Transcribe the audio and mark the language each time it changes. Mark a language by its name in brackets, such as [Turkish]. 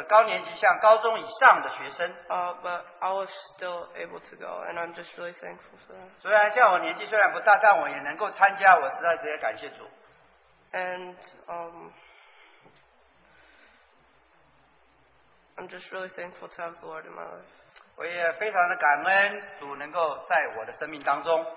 [Chinese] 因为这个特会比较针对是高年级，像高中以上的学生。But [English] I was still able to go, and I'm just really thankful for that. [Chinese] 虽然像我年纪虽然不大，但我也能够参加，我实在直接感谢主。And [English] I'm just really thankful to have the Lord in my life. [Chinese] 我也非常的感恩主能够在我的生命当中。